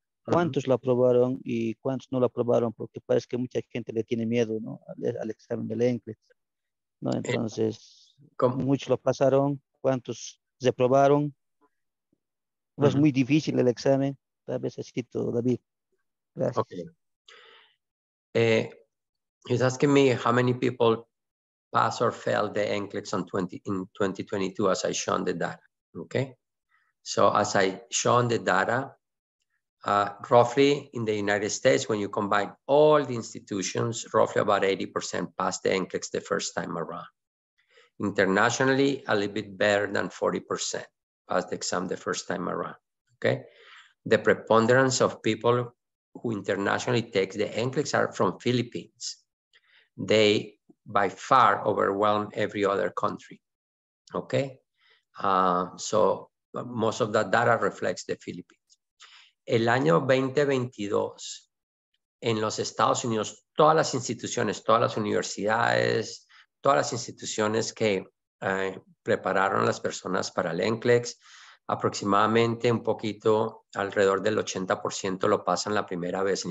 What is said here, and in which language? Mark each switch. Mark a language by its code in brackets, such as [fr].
[es] ¿Cuántos lo aprobaron y cuántos no lo aprobaron? Porque parece que mucha gente le tiene miedo, ¿no?, al examen del NCLEX, ¿no? Entonces, muchos lo pasaron, ¿cuántos se aprobaron? Es muy difícil el examen, tal vez así todo, David. Gracias. [en] Okay. He's asking me how many people pass or fail the NCLEX in 2022 as I shown the data, okay? So as I shown the data, roughly in the United States, when you combine all the institutions, roughly about 80% pass the NCLEX the first time around. Internationally, a little bit better than 40% pass the exam the first time around. Okay. The preponderance of people who internationally take the NCLEX are from Philippines. They by far overwhelm every other country. Okay. So most of that data reflects the Philippines. [es] El año 2022, en los Estados Unidos, todas las instituciones, todas las universidades, todas las instituciones que prepararon a las personas para el NCLEX, aproximadamente un poquito alrededor del 80% lo pasan la primera vez.